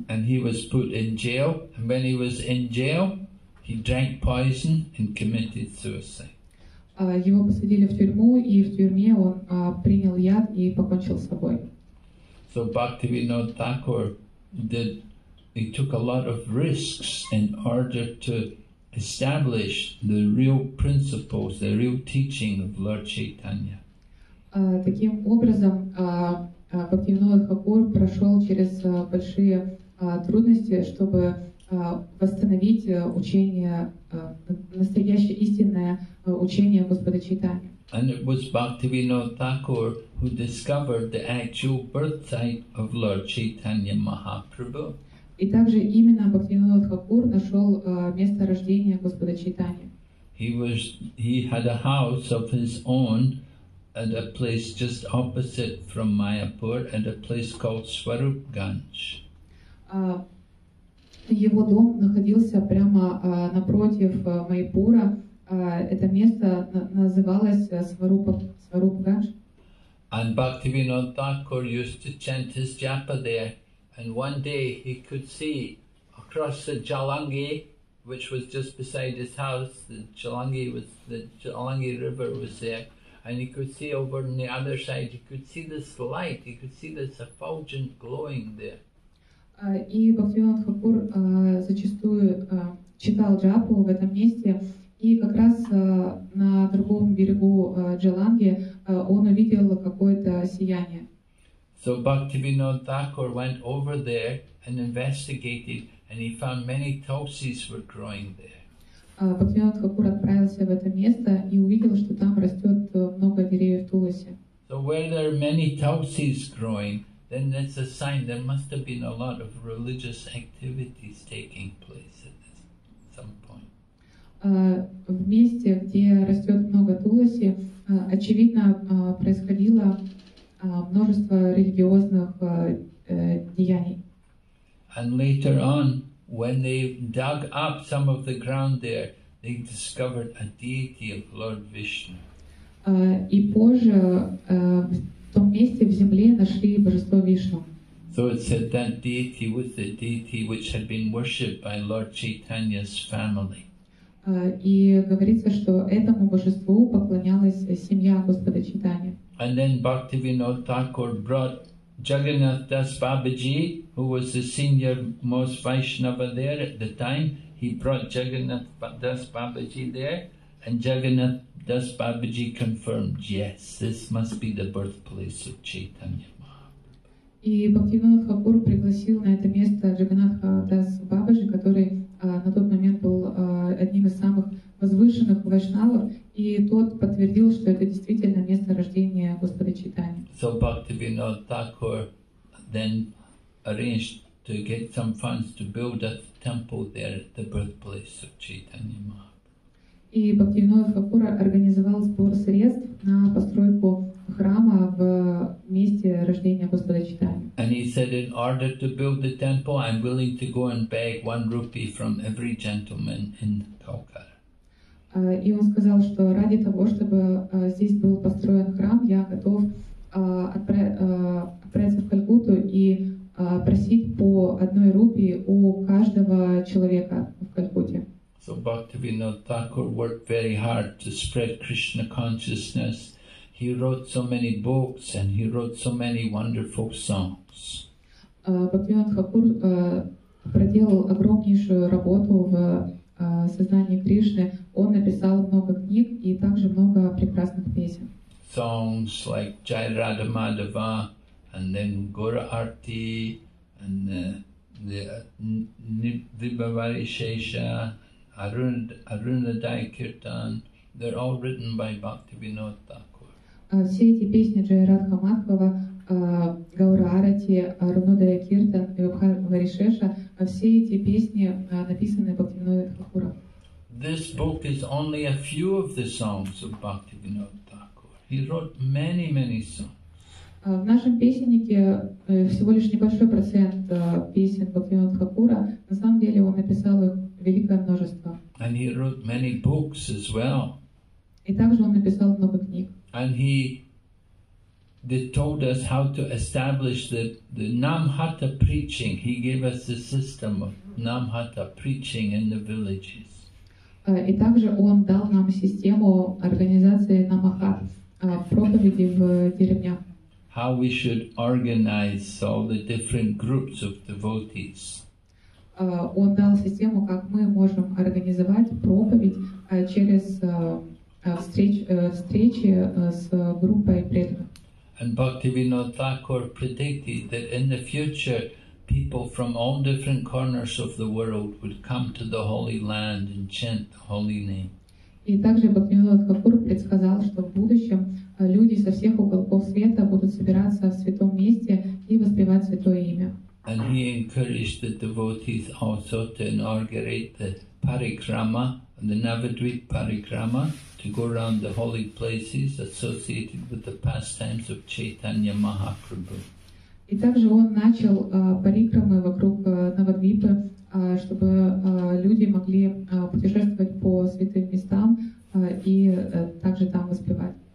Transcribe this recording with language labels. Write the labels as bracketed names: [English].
[English] And he was put in jail. And when he was in jail, he drank poison and committed suicide. [Russian] Его посадили в тюрьму, и в тюрьме он принял яд и покончил с собой. [English] So Bhaktivinoda Thakur did. He took a lot of risks in order to establish the real principles, the real teaching of Lord Chaitanya. [Russian] Таким образом, Бхактивинода Тхакур прошел через большие трудности, чтобы восстановить учение, настоящее истинное учение Господа Чайтаньи. [English] And it was Bhaktivinoda Thakur who discovered the actual birth site of Lord Chaitanya Mahaprabhu. [Russian] И также именно Бхактивинода Тхакур нашел место рождения Господа Чайтаньи. [English] He had a house of his own at a place just opposite from Mayapur at a place called Swarup Ganj. [Russian] Его дом находился прямо напротив Майпура. Это место называлось Swarup Ganj. [English] And Bhaktivinoda Thakur used to chant his japa there. And one day he could see across the Jalangi, which was just beside his house. The Jalangi River was there, and he could see over on the other side, he could see this light, he could see this effulgent glowing there. [Russian] И Бхактивинод Хакур зачастую читал джапу в этом месте, и как раз на другом берегу Джаланги он увидел какое-то сияние. [English] So Bhaktivinoda Thakur went over there and investigated, and he found many tulsis were growing there. [Russian] Бхактивинод Хакур отправился в это место и увидел, что там растет много деревьев туласи. [English] So where there are many tulsis growing, then that's a sign there must have been a lot of religious activities taking place at this, some point. [Russian] В месте, где растет много туласи, очевидно, происходило множество религиозных деяний. [English] And later on, when they dug up some of the ground there, they discovered a deity of Lord Vishnu. [Russian] И позже, в том месте в земле нашли божество Вишну. [English] So it said that deity was the deity which had been worshipped by Lord Chaitanya's family. [Russian] И говорится, что этому божеству поклонялась семья Господа Чайтаньи. [English] And then Bhaktivinoda Thakur brought Jagannath Das Babaji, who was the senior most Vaishnava there at the time. He brought Jagannath Das Babaji there, and Jagannath Das Babaji confirmed, yes, this must be the birthplace of Chaitanya Mahaprabhu. [Russian] И Бхактивинод Хакур пригласил на это место Джаганнатха Дас Бабаджи, который на тот момент был одним из самых возвышенных вайшнавов, и тот подтвердил, что это действительно место рождения Господа Чайтаньи. [English] So Бхактивинод Хакур then arranged to get some funds to build a temple there at the birthplace of Chaitanya Mahaprabhu. [Russian] И Бхактивинода Хакура организовал сбор средств на постройку храма в месте рождения Господа Чайтаньи. [English] And he said, in order to build the temple, I'm willing to go and beg 1 rupee from every gentleman in Calcutta. [Russian] И он сказал, что ради того, чтобы здесь был построен храм, я готов отправиться в Калькутту и просить по 1 рупии у каждого человека в Калькутте. [English] So Bhaktivinoda Thakur worked very hard to spread Krishna consciousness. He wrote so many books and he wrote so many wonderful songs. [Russian] Bhaktivinoda Thakur проделал огромнейшую работу в сознании Кришны. Он написал много книг и также много прекрасных песен. [English] Songs like Jai Radha Madhava, and then Gaura Arti, and Nibhavarishesha, Arunodaya-kirtana, they're all written by Bhaktivinoda Thakur. [Russian] Все эти песни Джайрадха Мадхава, Гаура Арати, Арунодая-киртана и Вибхар-варишеша, все эти песни написаны Бхактивинодой Хакура. [English] This book is only a few of the songs of Bhaktivinoda Thakur. He wrote many, many songs. [Russian] В нашем песеннике всего лишь небольшой процент песен Бхактивинода Хакура. На самом деле он написал их великое множество. [English] And he wrote many books as well. [Russian] И также он написал много книг. [English] And he told us how to establish the Namhatta preaching. He gave us the system of Namhatta preaching in the villages. [Russian] И также он дал нам систему организации Намахат проповеди в деревнях. [English] How we should organize all the different groups of devotees. [Russian] Он дал систему, как мы можем организовать проповедь через встречи с группой преданных. [English] And Bhaktivinoda Thakur predicted that in the future people from all different corners of the world would come to the Holy Land and chant the Holy Name. [Russian] И также Бхактивинод Хакур предсказал, что в будущем люди со всех уголков света будут собираться в святом месте и воспевать святое имя. [English] And he encouraged the devotees also to inaugurate the parikrama, the Navadvip parikrama, to go around the holy places associated with the pastimes of Chaitanya Mahaprabhu. [Russian] И также он начал парикрамы вокруг Навадвипа, чтобы люди могли путешествовать по святым местам и также там воспевать.